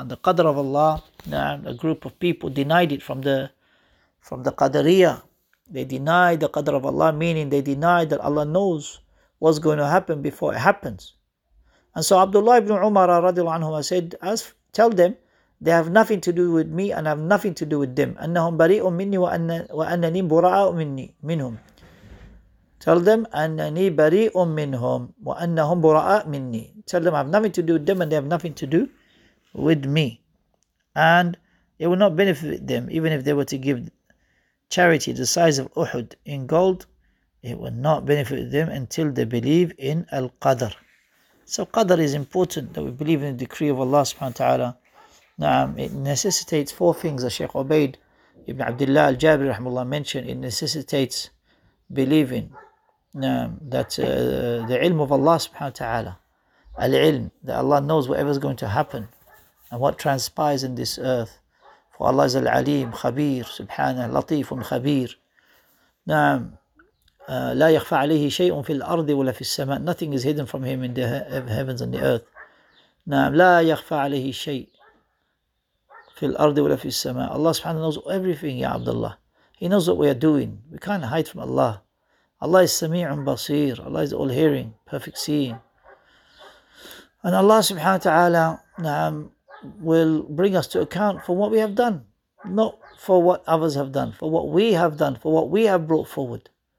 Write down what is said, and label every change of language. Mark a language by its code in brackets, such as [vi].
[en] And the Qadr of Allah, a group of people denied it from the Qadariyah. They denied the Qadr of Allah, meaning they denied that Allah knows what's going to happen before it happens. And so Abdullah ibn Umar radiallahu anhu said, tell them, they have nothing to do with me and have nothing to do with them. [ar] أَنَّهُمْ بَرِيءٌ مِنِّي وَأَنَّنِي بُرَاءٌ مِنْهُمْ. [en] Tell them, [ar] أَنَّنِي بَرِيءٌ مِنْهُمْ وَأَنَّهُمْ بُرَاءٌ مِنِّي. [en] Tell them, I have nothing to do with them and they have nothing to do with me. And it will not benefit them, even if they were to give charity the size of Uhud in gold, it will not benefit them until they believe in Al-Qadr. So Qadr is important, that we believe in the decree of Allah subhanahu wa ta'ala. It necessitates four things, as Shaykh Ubaid ibn Abdullah al-Jabir rahimahullah mentioned. It necessitates believing the ilm of Allah subhanahu wa ta'ala, al-ilm, that Allah knows whatever is going to happen and what transpires in this earth. For Allah is al-alim, khabir, subhanahu wa ta'ala, latifun khabir. [ar] لا يخفى عليه شيء في الأرض ولا في السماء. [en] Nothing is hidden from him in the heavens and the earth. [ar] لا يخفى عليه شيء في الأرض ولا في السماء. [en] Allah subhanahu knows everything, Ya Abdullah. He knows what we are doing. We can't hide from Allah. Allah is [ar] سميع بصير. [en] Allah is all hearing, perfect seeing. And Allah subhanahu wa ta'ala will bring us to account for what we have done, not for what others have done, for what we have done, for what we have brought forward.